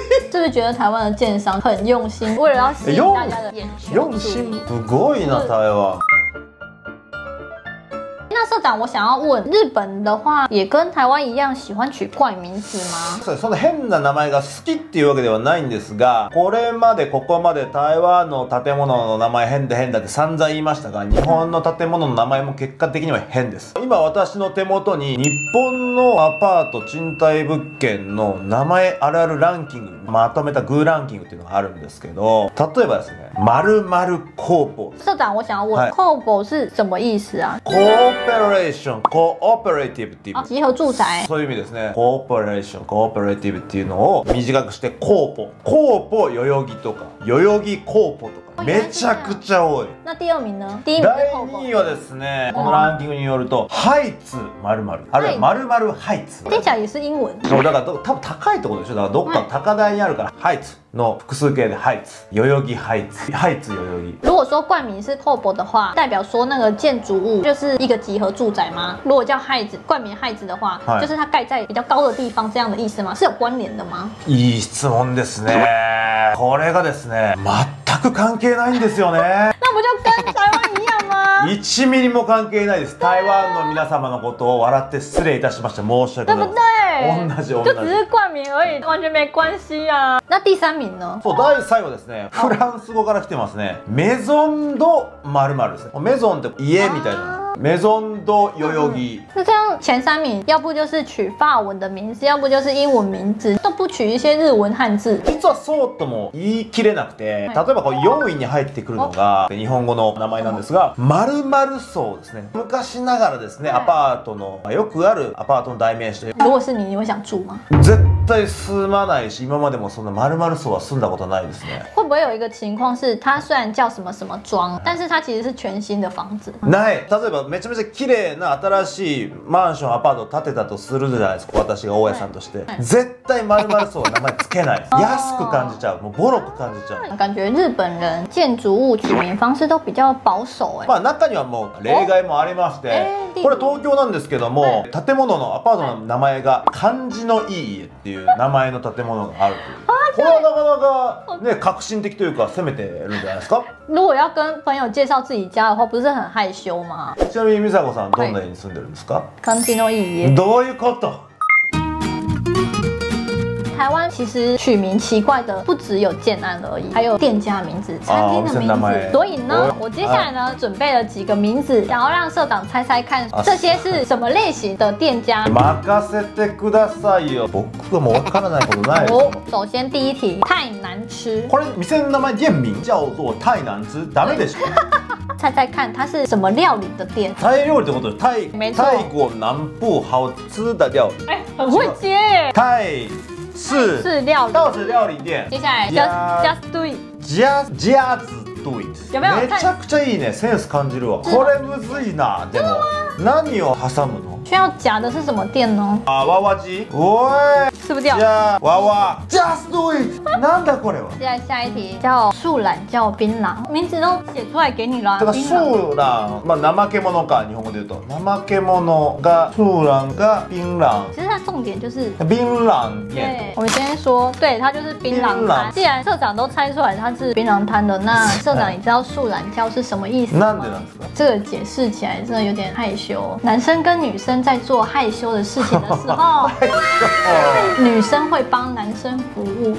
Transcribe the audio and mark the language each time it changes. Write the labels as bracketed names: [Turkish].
[Chinese] 就是觉得台湾的建商很用心，为了用心，不过瘾呐，台湾。那社长，我想要问，日本的话也跟台湾一样喜欢取怪名字吗？ [Japanese] その変な名前が好きっていうわけではないんですが、これまでここまで台湾の建物の名前変で変だって散々言いましたが、日本の建物の名前も結果的には変です。今私の手元に日本のアパート賃貸物件の名前あるあるランキングまとめたグーランキングっていうのがあるんですけど、例えばですね、丸々コーポ。 [Chinese] 社長、我想要问、コーポ是什么意思啊？ [English] Cooperation, cooperative っていう。 [Japanese] 集合住宅。そういう意味ですね。 Cooperation, cooperative っていうのを短くしてコーポ。コーポ代々木とか、代々木コーポとか、めちゃくちゃ多い。 [Chinese] 那第二名呢？第二名。 [Japanese] 第二はですね、このランキングによると、ハイツ〇〇。あるいは〇〇ハイツ。ハイツ。 [Chinese] 听起来也是英文。 [Japanese] そう、だから多分高いところでしょ。だからどっか高台にあるから、ハイツ。の複数形でハイツ、代々木ハイツ、ハイツ代々木。 [Chinese] 如果说冠名是コーポ的话，代表说那个建筑物就是一个集合住宅吗？如果叫ハイツ、冠名ハイツ的话，就是它盖在比较高的地方，这样的意思吗？是有关联的吗？ [Japanese] いい質問ですね。これがですね、全く関係ないんですよね。 [Chinese] 那不就跟台湾一样吗？ [Japanese] 一ミリも関係ないです。台湾の皆様のことを笑って失礼いたしました。申し訳ございません。同じ。 [Chinese] 就只是冠名而已，完全没关系啊。那第三名呢？ [Japanese] そう、第三位ですね。フランス語から来てますね。メゾンド〇〇ですね。メゾンって家みたいな。メゾンド代々木。 [Chinese] 那这样前三名，要不就是取法文的名字，要不就是英文名字，都不取一些日文汉字。 [Japanese] 実はそうとも言い切れなくて、例えばこの4位に入ってくるのが日本語の名前なんですが、〇〇荘ですね。昔ながらですね、アパートのよくあるアパートの代名詞。 [Chinese] 如果是你，你会想住吗？ [Japanese] 絶対対住まないし今までもそんな丸々そうは住んだことないですね。 [Chinese] 会不会有一个情况是它虽然叫什么什么庄但是它其实是全新的房子 [Japanese] ない例えばめちゃめちゃ綺麗な新しいマンションアパート建てたとするじゃないですか私が大家さんとして絶対丸々そうは名前つけない安く感じちゃうもうボロく感じちゃう [Chinese] 感觉日本人建築物取名方式都比较保守 [Japanese] まあ中にはもう例外もありましてこれ東京なんですけども建物のアパートの名前が漢字のいい家っていう名前の建物があるというこれはなかなかね革新的というか攻めてるんじゃないですか [Chinese] 如果要跟朋友介绍自己家的话不是很害羞吗 [Japanese] ちなみに Misako さんどんな家に住んでるんですか漢字のいい家どういうこと [Chinese] 台湾其实取名奇怪的不只有建案而已还有店家名字餐厅的名字所以呢我接下来呢准备了几个名字然后让社长猜猜看这些是什么类型的店家 [Japanese] 任せてくださいよ僕がもう分からないことないですよ [Chinese] 首先第一题太难吃 [Japanese] これ店の名前 [Chinese] 店名叫做太难吃 [Japanese] ダメでしょ [Chinese] 猜猜看它是什么料理的店 [Japanese] タイ料理ってことタイ [Chinese] 没错泰国南部好吃的料理很会接耶泰是料理，到此料理店。接下来 [English] just do it， just do it， [Chinese] 有没有？ [Japanese] めちゃくちゃいいね、センス感じるわ。これむずいな。でも何を挟むの？ [Chinese] 需要夹的是什么店呢？啊，娃娃机。喂，吃不掉。 [Japanese] じゃあ、娃娃。 [English] Just do it。 [Japanese] なんだこれは？ [Chinese] 接下来下一题叫树懒叫槟榔，名字都写出来给你了。 [Japanese] だから树懒，まあ怠け者か日本語で言うと、怠け者が树懒が槟榔。 [Chinese] 其实它重点就是槟榔店。对，我们先说，对，它就是槟榔摊。既然社长都猜出来它是槟榔摊的，那社长你知道树懒叫是什么意思吗？ [Japanese] なんでなんですか？ [Chinese] 这个解释起来真的有点害羞，男生跟女生。在做害羞的事情的时候，女生会帮男生服务。